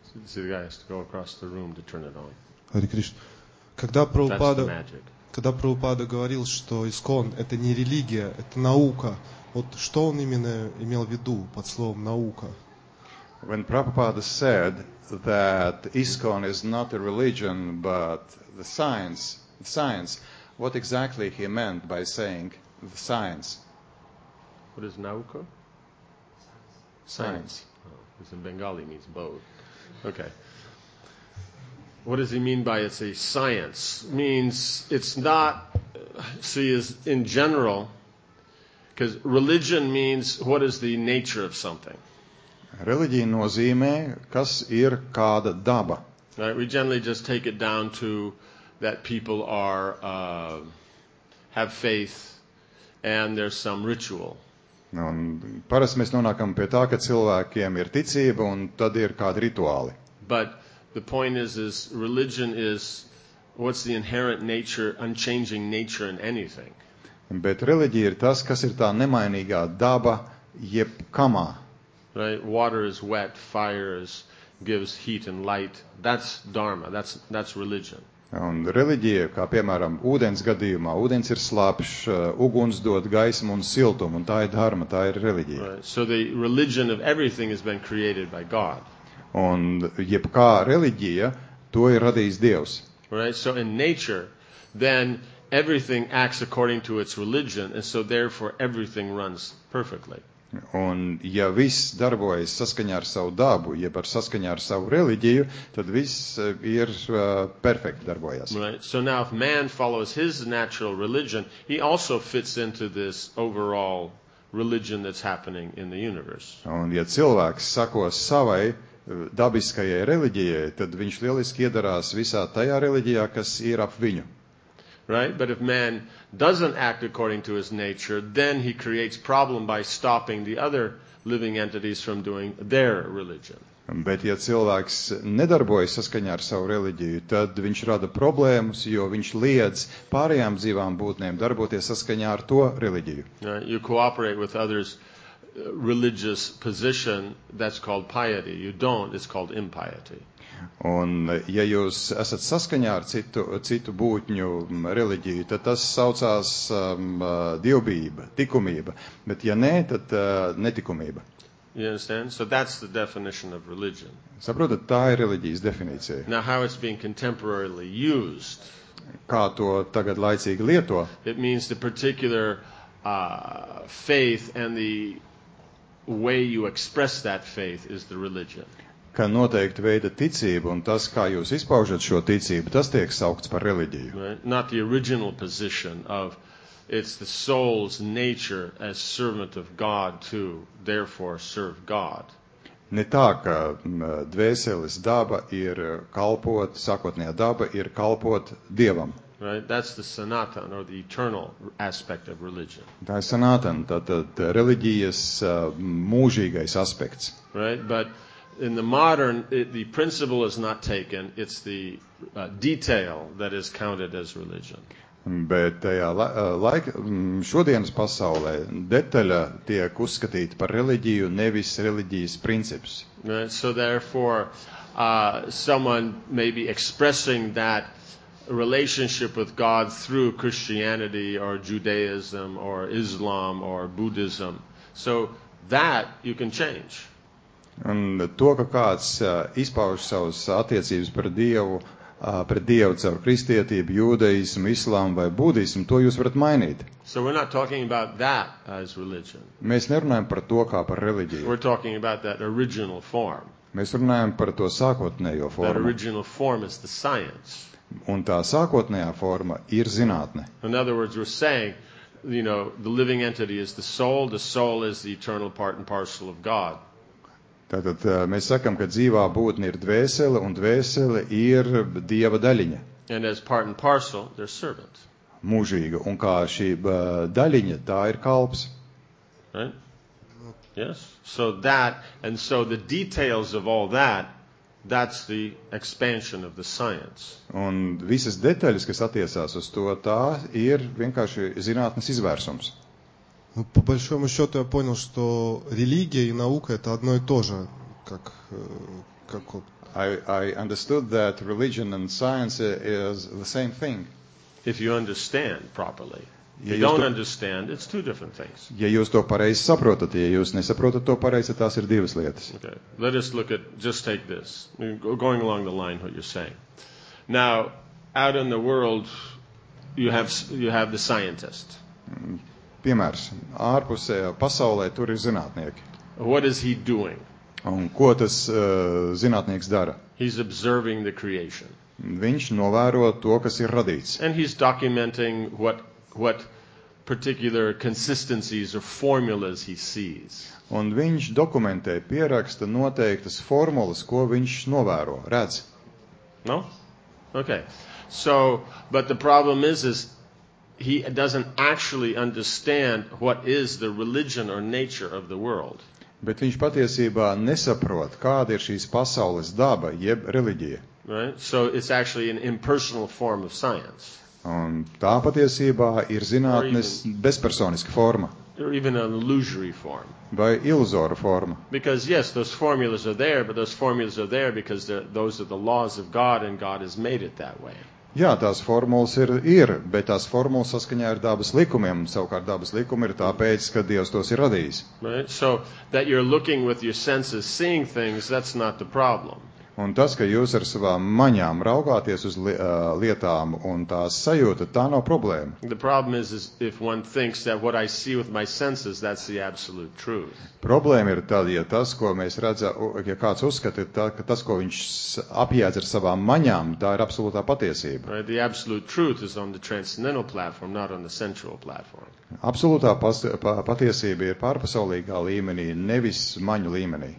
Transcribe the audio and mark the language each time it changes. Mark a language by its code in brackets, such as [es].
[en] See, the guy has to go across the room to turn it on. [ru] Hare Krishna. Когда Прабхупада... [en] That's the magic. [ru] Когда Прабхупада говорил, что ИСККОН – это не религия, это наука. Вот что он именно имел в виду под словом «наука»? [en] When Prabhupada said that ISKCON is not a religion, but the science, what exactly he meant by saying the science? What is nauka? Science. Oh, it's in Bengali, means both. Okay. What does he mean by it's a science? Means it's not, see, is in general, because religion means what is the nature of something. [lv] Reliģija nozīmē, kas ir kāda daba. [en] Right, we generally just take it down to that people are have faith and there's some ritual. [lv] Un parasti mēs nonākam pie tā, ka cilvēkiem ir ticība un tad ir kādi rituāli. [en] But the point is religion is what's the inherent nature, unchanging nature in anything. [lv] Bet reliģija ir tas, kas ir tā nemainīgā daba jebkamā. [en] Right, water is wet, fire is gives heat and light. That's dharma. That's religion. [lv] Un reliģija, kā piemēram, ūdens gadījumā, ūdens ir slapšs, uguns dod gaismu un siltumu, un tā ir dharma, tā ir reliģija. [en] Right. So the religion of everything has been created by God. [lv] Un jebkā reliģija, to ir radījis Dievs. [en] Right, so in nature, then everything acts according to its religion, and so therefore everything runs perfectly. [lv] Un ja viss darbojas saskaņā ar savu dabu, jeb ar saskaņā ar savu reliģiju, tad viss ir perfekti darbojas. [en] Right. So now if man follows his natural religion, he also fits into this overall religion that's happening in the universe. [lv] Un ja cilvēks sako savai dabiskajai reliģijai, tad viņš lieliski iedarās visā tajā reliģijā, kas ir ap viņu. [en] Right, but if man doesn't act according to his nature, then he creates problem by stopping the other living entities from doing their religion. [lv] Bet ja cilvēks nedarbojas saskaņā ar savu reliģiju, tad viņš rada problēmas, jo viņš liedz pārējām dzīvām būtnēm darboties saskaņā ar to reliģiju. [en] Right, you cooperate with others' religious position, that's called piety. You don't, it's called impiety. [lv] Un ja jūs esat saskaņā ar citu būtņu reliģiju, tad tas saucās dievbība, tikumība. Bet ja nē, tad netikumība. [en] You understand? So that's the definition of religion. [lv] Saprotat, tā ir reliģijas definīcija. [en] Now how it's being contemporarily used. [lv] Kā to tagad laicīgi lieto? [en] It means the particular faith and the way you express that faith is the religion. [lv] ka noteikti veida ticība un tas, kā jūs izpaužat šo ticību, tas tiek saukts par reliģiju. [en] Right? Not the original position of it's the soul's nature as servant of God to therefore serve God. [lv] Ne tā, ka dvēseles daba ir kalpot, sākotnējā daba ir kalpot Dievam. [en] Right? That's the sanatan or the eternal aspect of religion. [lv] Tā ir sanatan, tātad reliģijas mūžīgais aspekts. [en] Right? But in the modern, the principle is not taken, it's the detail that is counted as religion. [lv] Bet tajā laika, šodienas pasaulē, detaļa tiek uzskatīta par reliģiju, nevis reliģijas princips. [en] Right? So therefore, someone may be expressing that relationship with God through Christianity or Judaism or Islam or Buddhism. So that you can change. [lv] Un to, ka kāds izpauž savas attiecības par Dievu, pret Dievu caur kristietību, jūdeismu, islāmu vai budismu, to jūs varat mainīt. [en] So we're not talking about that as religion. [lv] Mēs nerunājam par to kā par reliģiju. [en] We're talking about that original form. [lv] Mēs runājam par to sākotnējo formu. [en] That original form is the science. [lv] Un tā sākotnējā forma ir zinātne. [en] In other words, we're saying, you know, the living entity is the soul is the eternal part and parcel of God. [lv] Tātad mēs sakam, ka dzīvā būtne ir dvēsele, un dvēsele ir Dieva daļiņa. [en] And as part and parcel, they're servant. [lv] Mūžīga. Un kā šī daļiņa, tā ir kalps. [en] Right? Yes? So that, and so the details of all that, that's the expansion of the science. [lv] Un visas detaļas, kas attiecās uz to, tā ir vienkārši zinātnes izvērsums. [ru] По большому счету я понял, что религия и наука это одно и то же, как вот. [en] I understood that religion and science is the same thing. If you understand properly. If you don't understand, it's two different things. [lv] Ja jūs to pareizi saprotat, ja jūs nesaprotat to pareizi, tās ir divas lietas. [en] Okay. Let us look at just take this. Going along the line what you're saying. Now, out in the world you have the scientist. [lv] Piemērs, ārpusē pasaulē tur ir zinātnieki. [en] What is he doing? [lv] Un ko tas zinātnieks dara? [en] He's observing the creation. [lv] Viņš novēro to, kas ir radīts. [en] And he's documenting what particular consistencies or formulas he sees. [lv] Un viņš dokumentē, pieraksta noteiktas formulas, ko viņš novēro, redz. [en] No? Okay. So, but the problem is he doesn't actually understand what is the religion or nature of the world. [lv] Bet viņš patiesībā nesaprot, kāda ir šīs pasaules daba, jeb reliģija. [en] Right? So it's actually an impersonal form of science. [lv] Un tā patiesībā ir zinātnes bezpersoniska forma. [en] Or even an illusory form. [lv] Vai iluzora forma. [en] Because yes, those formulas are there, but those formulas are there because those are the laws of God and God has made it that way. [lv] Jā, tās formulas ir, bet tās formulas saskaņā ir dabas likumiem, savukārt dabas likumi ir tāpēc, ka Dievs tos ir radījis. [en] Right? So, that you're looking with your senses, seeing things, that's not the problem. [lv] Un tas, ka jūs ar savām maņām raugāties uz lietām un tās sajūta, tā nav problēma. [en] The problem is if one thinks that what I see with my senses, that's the absolute truth. [lv] Problēma ir tad, ja tas, ko mēs redzam, ja kāds uzskata, ka tas, ko viņš apjēdz ar savām maņām, tā ir absolūtā patiesība. [en] Right, the absolute truth is on the transcendental platform, not on the sensual platform. [lv] Absolūtā patiesība ir pārpasaulīgā līmenī, nevis maņu līmenī.